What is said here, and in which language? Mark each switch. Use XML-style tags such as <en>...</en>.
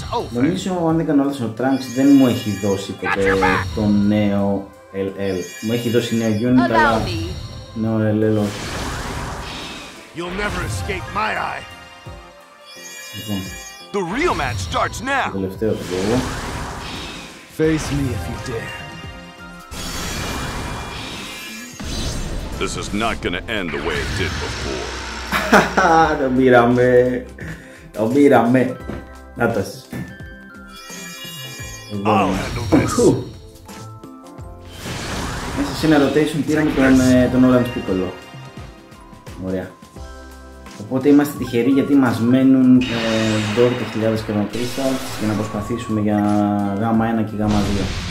<el>Νομίζω αν δεν κάνω λάθος ο Trunks δεν μου έχει δώσει ποτέ το νέο LL. Μου έχει δώσει νέο γιον, αλλά νέο LL όχι.</el> <en>You'll never escape my eye.</en> <el>Λοιπόν.</el> <en>The real match starts now.</en> <el>Το τελευταίο θα πω.</el> <en>Face me if you dare. This is not gonna end the way it did before.</en> <el>Το πήραμε. Το πήραμε. Να το μέσα σε ένα rotation πήραμε τον Orange Piccolo. Ωραία. Οπότε είμαστε τυχεροί γιατί μας μένουν 12.000 Chrono Crystals για να προσπαθήσουμε για Γ1 και Γ2.</el>